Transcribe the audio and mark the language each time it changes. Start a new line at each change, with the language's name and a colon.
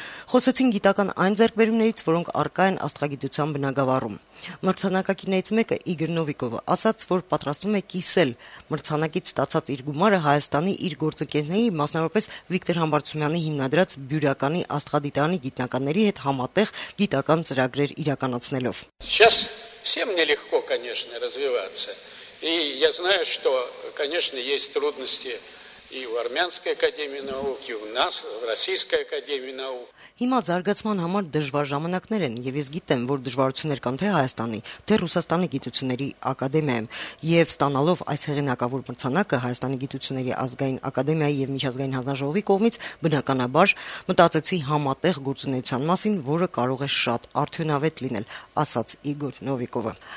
Armenian: խոսեցին գիտական այն ձեռքբերումներից, որոնք առկա են աստղագիտության բնագավառում։ Մրցանակակիրներից մեկը Իգոր Նովիկովը ասաց, որ պատրաստվում է կիսել մրցանակից ստացած իր գումարը Հայաստանի իր գործընկերների, մասնավորապես Վիկտոր Համբարձումյանի հիմնադրած բյուրականի աստղադիտանի գիտնականների հետ համատեղ գիտական ծրագրեր իրականացնելով։
Russian: Сейчас всем нелегко, конечно, развиваться. И я знаю, что, конечно, есть трудности и в Армянской академии наук, и у нас в Российской академии наук.
Armenian: Հիմա զարգացման համար դժվար ժամանակներ են, եւ ես գիտեմ, որ դժվարություններ կան թե Հայաստանի, թե Ռուսաստանի գիտությունների ակադեմիայում, եւ ստանալով այս հեղինակավոր մրցանակը Հայաստանի գիտությունների ազգային ակադեմիայի եւ միջազգային հանձնաժողովի կողմից բնականաբար մտածեցի համատեղ գործունեության մասին, որը կարող է շատ արդյունավետ լինել, ասաց Իգոր Նովիկովը։